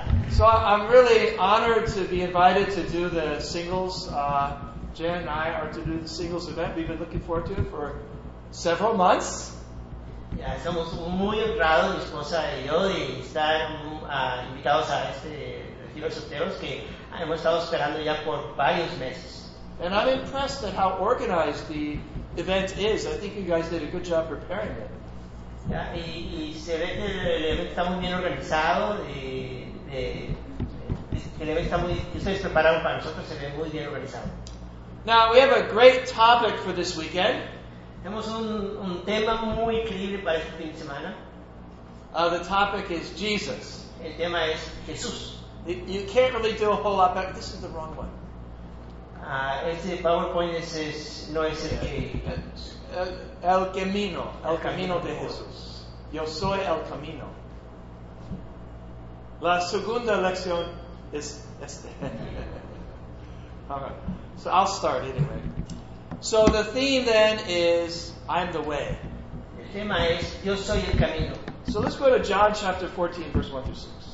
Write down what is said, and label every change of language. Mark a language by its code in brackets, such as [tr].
[en] So I'm really honored to be invited to do the singles. Jen and I are to do the singles event. We've been looking forward to it for several months. [es] Yeah, estamos muy honrados, mi esposa y yo, de estar invitados a este retiro de solteros que hemos estado esperando ya por varios meses. [en] And I'm impressed at how organized the event is. I think you guys did a good job preparing it. [es] Y se ve que el evento está muy bien organizado, el evento está muy, ustedes prepararon para nosotros, se ve muy bien organizado. [en] Now we have a great topic for this weekend. [es] Tenemos un tema muy increíble para este fin de semana. [en] The topic is Jesus. [es] El tema es Jesús. [en] You can't really do a whole lot better. This is the wrong one. [es] Este PowerPoint es no es el que. El camino de Jesús. Yo soy el camino. La segunda lección es este. [en] All right. So I'll start anyway. So the theme then is I'm the way. [es] El tema es yo soy el camino. [en] So let's go to John chapter 14 verse 1 through 6.